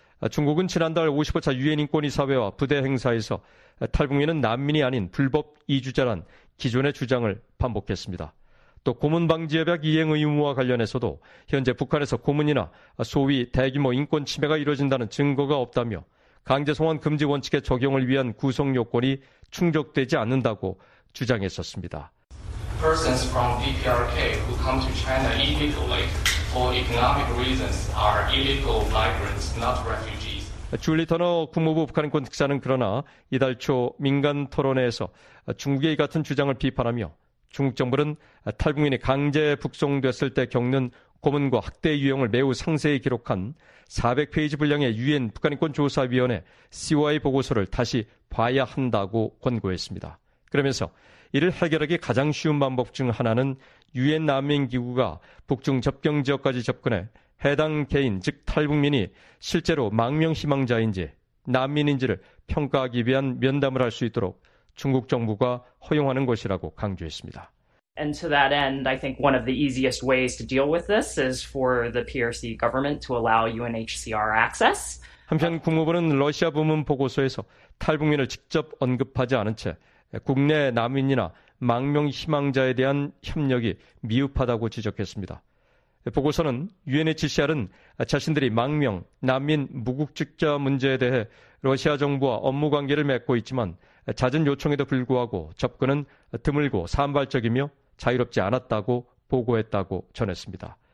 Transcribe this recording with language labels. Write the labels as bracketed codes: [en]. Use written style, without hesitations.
[ko] 중국은 지난달 55차 유엔인권이사회와 부대 행사에서 탈북민은 난민이 아닌 불법 이주자란 기존의 주장을 반복했습니다. 또 고문 방지 협약 이행 의무와 관련해서도 현재 북한에서 고문이나 소위 대규모 인권 침해가 이뤄진다는 증거가 없다며 강제 송환 금지 원칙의 적용을 위한 구속 요건이 충족되지 않는다고 주장했었습니다. [en] Persons from DPRK who come to China illegally for economic reasons are illegal migrants, not refugees. [ko] 줄리 터너 국무부 북한인권 특사는 그러나 이달 초 민간 토론회에서 중국의 이 같은 주장을 비판하며 중국 정부는 탈북민이 강제 북송됐을 때 겪는 고문과 학대 유형을 매우 상세히 기록한 400페이지 분량의 유엔 북한인권조사위원회 CY 보고서를 다시 봐야 한다고 권고했습니다. 그러면서 이를 해결하기 가장 쉬운 방법 중 하나는 유엔 난민기구가 북중 접경 지역까지 접근해 해당 개인, 즉 탈북민이 실제로 망명희망자인지 난민인지를 평가하기 위한 면담을 할 수 있도록 중국 정부가 허용하는 것이라고 강조했습니다. [en] And to that end, I think one of the easiest ways to deal with this is for the PRC government to allow UNHCR access. [ko] 한편 국무부는 러시아 부문 보고서에서 탈북민을 직접 언급하지 않은 채 국내 난민이나 망명 희망자에 대한 협력이 미흡하다고 지적했습니다. 보고서는 UNHCR은 자신들이 망명, 난민, 무국적자 문제에 대해 러시아 정부와 업무 관계를 맺고 있지만 잦은 요청에도 불구하고 접근은 드물고 산발적이며 자유롭지 않았다고 보고했다고 전했습니다.